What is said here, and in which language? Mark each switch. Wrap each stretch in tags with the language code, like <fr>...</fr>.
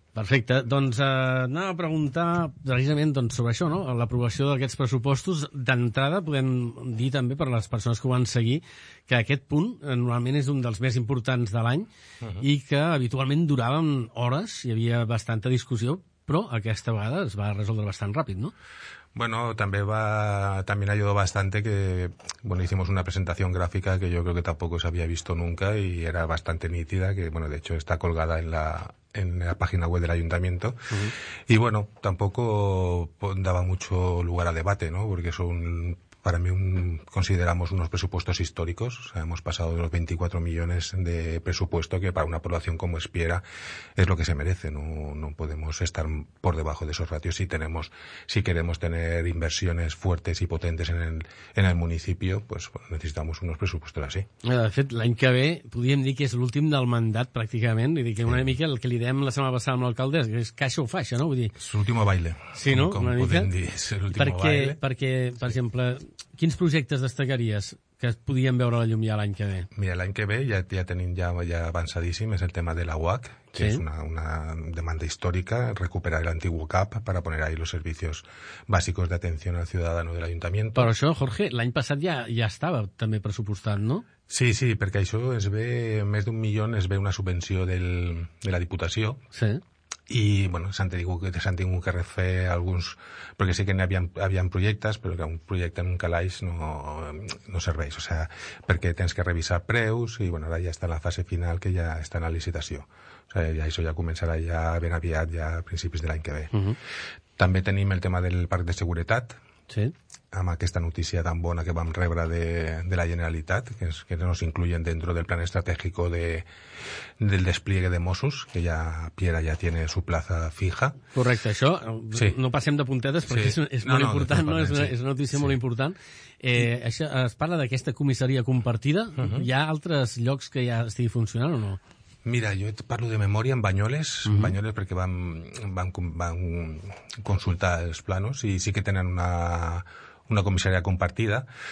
<ca>Perfecte. Doncs anava a preguntar precisament sobre això, no? L'aprovació d'aquests pressupostos. D'entrada, podem dir també per les persones que ho van seguir que aquest punt normalment és un dels més importants de l'any i que habitualment duraven hores, hi havia bastanta discussió, però aquesta vegada es va resoldre bastant ràpid, no?</ca> <es>Bueno, también ayudó bastante que, bueno, hicimos una presentación gráfica que yo creo que tampoco se había visto nunca y era bastante nítida, que, bueno, de hecho está colgada en la página web del ayuntamiento. Uh-huh. Y bueno, tampoco daba mucho lugar a debate, ¿no? Porque son, para mí, consideramos unos presupuestos históricos. O sea, hemos pasado de los 24 millones de presupuesto, que para una población como es Piera es lo que se merece. No podemos estar por debajo de esos ratios si queremos tener inversiones fuertes y potentes en el municipio, pues bueno, necesitamos unos presupuestos así.</es> <ca>De fet, l'any que ve podríem dir que és l'últim del mandat, pràcticament. Vull dir que una mica el que li dèiem la setmana passada amb l'alcalde és que això ho fa, això, no? Vull dir... És l'últim baile. Sí, no? Com podem dir, és l'últim baile. Perquè, per exemple... Quins projectes destacaries que podíem veure a la llum ja l'any que ve? Mira, l'any que ve ja tenim ja avançadíssim, és el tema de la UAC, que és una demanda històrica,</ca> <es>recuperar l'antiguo CAP para poner ahí los servicios básicos de atención al ciudadano del ayuntamiento.</es> <ca>Però això, Jorge, l'any passat ja estava també pressupostat, no? Sí, sí, perquè això es ve, més d'un milió es ve una subvenció de la Diputació. Sí. Y bueno, s'han tingut que refer alguns, perquè sé que n'havien projectes, però que un projecte en un calaix no serveix, o sea, perquè tens que revisar preus i bueno, ara ja està en la fase final, que ja està en la licitació. O sea, ja això ja començarà ja ben aviat, ja a principis de l'any que ve. Uh-huh. També tenim el tema del parc de seguretat. Sí. Amb aquesta notícia tan bona que vam rebre de la Generalitat,</ca> <es>que nos incluyen dentro del plan estratégico del despliegue de Mossos, que</es> <ca>ja Piera ja</ca> <es>tiene su plaza fija.</es> <ca>Correcte, això, sí. No passem de puntetes, perquè sí. És molt important, no? És una notícia molt important. Això, es parla d'aquesta comissaria compartida. Uh-huh. Hi ha altres llocs que ja estigui funcionant o no? Mira, jo et parlo de memòria en Banyoles, uh-huh. Banyoles, perquè van consultar els planos i sí que tenen una comissaria compartida.</ca>